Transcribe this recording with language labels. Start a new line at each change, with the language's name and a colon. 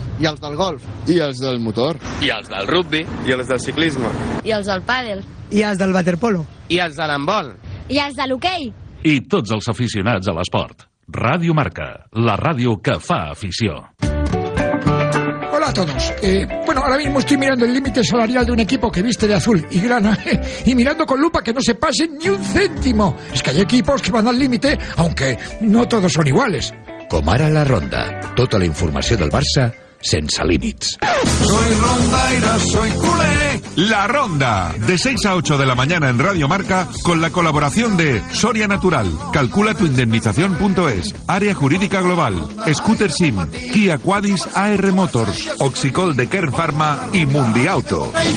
Catalan: I els del golf. I els del motor. I els del rugby. I els del ciclisme. I els del pàdel. I els del waterpolo. I els de l'handbol. I els de l'hoquei. I tots els aficionats a l'esport. Ràdio Marca, la ràdio que fa afició.
Spanish: Hola a todos. Bueno, ahora mismo estoy mirando el límite salarial de un equipo que viste de azul y grana y mirando con lupa que no se pase ni un céntimo. Es que hay equipos que van al límite, aunque no todos son iguales.
Catalan: Com ara la Ronda. Tota la informació del Barça sense límits.
Spanish: Soy rondaira, soy culé. La Ronda, de 6 a 8 de la mañana en Radio Marca, con la colaboración de Soria Natural, calculatuindemnización.es, Área Jurídica Global, Scooter Sim, Kia Quadis AR Motors, Oxicol de Kern Pharma y Mundi Auto.